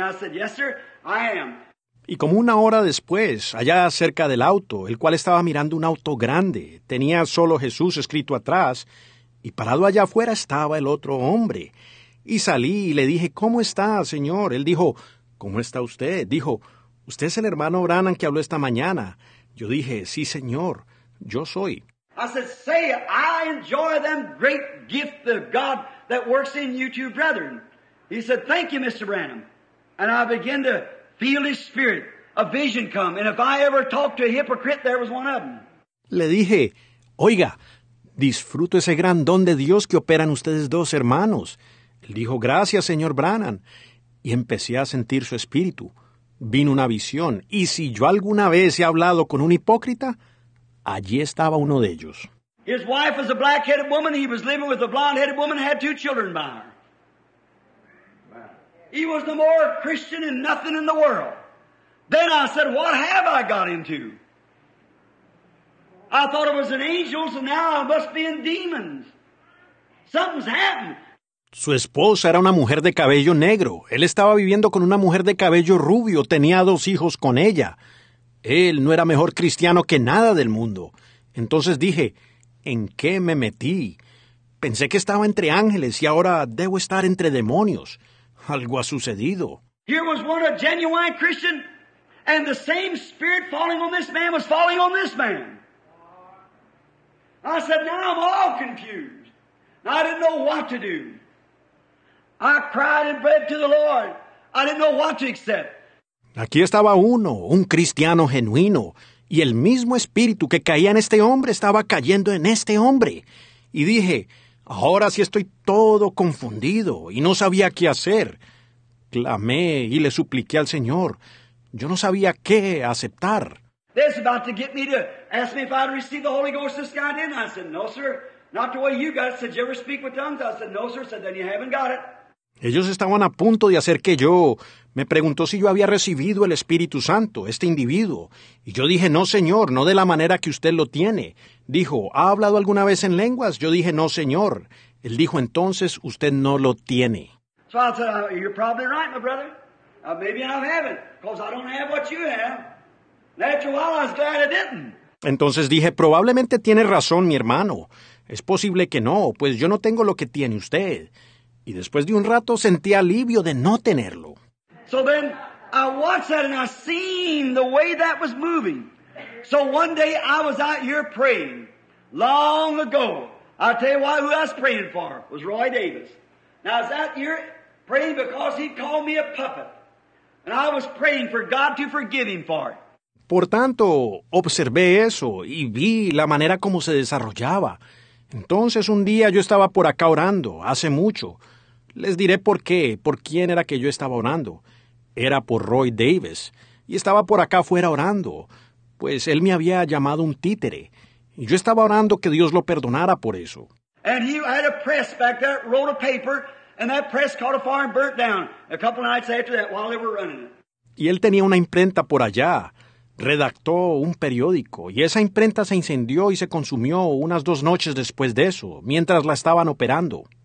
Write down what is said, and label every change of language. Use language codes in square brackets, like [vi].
[en] I said, yes, sir, I am. [es] Y como una hora después, allá cerca del auto, el cual estaba mirando un auto grande, tenía solo Jesús escrito atrás, y parado allá afuera estaba el otro hombre. Y salí y le dije, ¿cómo está, señor? Él dijo, ¿cómo está usted? Dijo, usted es el hermano Branham que habló esta mañana. Yo dije, sí, señor, yo soy. [en] I said, say, I enjoy them great gifts of God that works in you two brethren. He said, thank you, Mr. Branham. And I began to feel his spirit, a vision come. And if I ever talked to a hypocrite, there was one of them. [es] Le dije, oiga, disfruto ese gran don de Dios que operan ustedes dos hermanos. Él dijo, gracias, señor Branham. Y empecé a sentir su espíritu. Vino una visión, y si yo alguna vez he hablado con un hipócrita, allí estaba uno de ellos. [en] His wife was a black-headed woman. He was living with a blonde-headed woman and had two children by her. He was no more Christian than nothing in the world. Then I said, what have I got into? I thought it was an angel, so now I must be in demons. Something's happened. [es] Su esposa era una mujer de cabello negro. Él estaba viviendo con una mujer de cabello rubio. Tenía dos hijos con ella. Él no era mejor cristiano que nada del mundo. Entonces dije, ¿en qué me metí? Pensé que estaba entre ángeles y ahora debo estar entre demonios. Algo ha sucedido. [en] Here was one a genuine Christian, and the same spirit falling on this man was falling on this man. I said, now I'm all confused. I didn't know what to do. I cried and prayed to the Lord. I didn't know what to accept. [es] Aquí estaba uno, un cristiano genuino, y el mismo espíritu que caía en este hombre estaba cayendo en este hombre. Y dije, ahora sí estoy todo confundido y no sabía qué hacer. Clamé y le supliqué al Señor. Yo no sabía qué aceptar. [en] They're about to get me to ask me if I'd receive the Holy Ghost this guy didn't. I said, no, sir. Not the way you got it. Said, you ever speak with tongues? I said, no, sir. Said, then you haven't got it. [es] Ellos estaban a punto de hacer que yo me preguntó si yo había recibido el Espíritu Santo, este individuo. Y yo dije, no, señor, no de la manera que usted lo tiene. Dijo, ¿ha hablado alguna vez en lenguas? Yo dije, no, señor. Él dijo, entonces, usted no lo tiene. [en] So I said, you're probably right, my brother. Maybe I haven't, because I don't have what you have. After a while, I was glad I didn't. [es] Entonces dije, probablemente tiene razón, mi hermano. Es posible que no, pues yo no tengo lo que tiene usted. Y después de un rato sentí alivio de no tenerlo. [en] So then I watched that and I seen the way that was moving. So one day I was out here praying. Long ago, I tell you why who I was praying for was Roy Davis. Now I was out here praying because he called me a puppet. And I was praying for God to forgive him for it. [es] Por tanto, observé eso y vi la manera como se desarrollaba. Entonces, un día yo estaba por acá orando, hace mucho. Les diré por qué, por quién era que yo estaba orando. Era por Roy Davis. Y estaba por acá afuera orando, pues él me había llamado un títere. Y yo estaba orando que Dios lo perdonara por eso. [en] And he had a press back there, wrote a paper, and that press caught a fire and burnt down a couple of nights after that while they were running it. [es] Y él tenía una imprenta por allá. Redactó un periódico, y esa imprenta se incendió y se consumió unas dos noches después de eso, mientras la estaban operando.